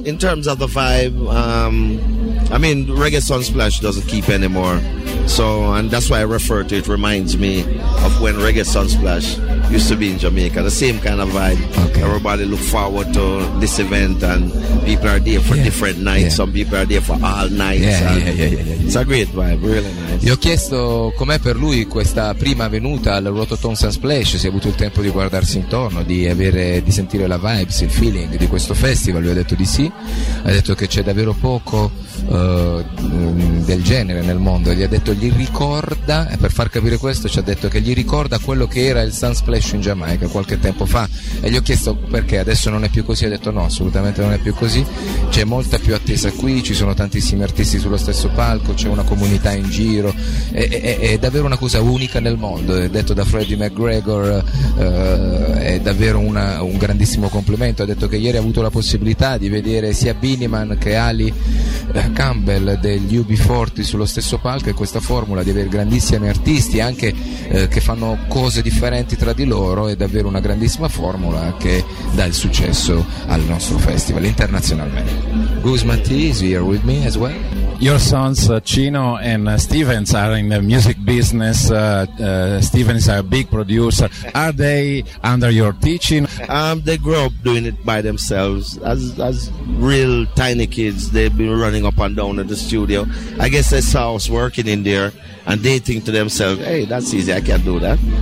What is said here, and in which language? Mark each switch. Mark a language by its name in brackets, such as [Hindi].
[English] in terms of the vibe, I mean, reggae Sunsplash doesn't keep anymore. So, and that's why I refer to it. Reminds me of when reggae Sunsplash used to be in Jamaica. The same kind of vibe. Okay. Everybody look forward to this event, and people are there for yeah. different nights. Yeah. Some people are there for all nights. Yeah. It's a great vibe, really nice. [Italian] Io ho chiesto com'è per lui questa prima venuta al Rototom Sunsplash. Si è avuto il tempo di guardarsi intorno, di sentire la vibes, il feeling di questo festival. Lui ha detto di sì. Ha detto che c'è davvero poco del genere nel mondo. Gli ha detto gli ricorda, e per far capire questo ci ha detto che gli ricorda quello che era il Sunsplash in Giamaica qualche tempo fa, e gli ho chiesto perché adesso non è più così. Ha detto no, assolutamente non è più così, c'è molta più attesa qui, ci sono tantissimi artisti sullo stesso palco, c'è una comunità in giro, è davvero una cosa unica nel mondo. È detto da Freddie McGregor, è davvero un grandissimo complimento. Ha detto che ieri ha avuto la possibilità di vedere sia Beanie Man che Ali Campbell degli UB40 sullo stesso palco, e questa formula di avere grandissimi artisti anche che fanno cose differenti tra di loro è davvero una grandissima formula che dà il successo al nostro festival internazionalmente. [English] Guzmati is here with me as well. Your sons Chino and Stevens are in the music business. Stevens is a big producer. Are they under your teaching? They grew up doing it by themselves as real tiny kids. They've been running up and down at the studio. I guess they saw us working in there and they think to themselves, hey, that's easy, I can do that.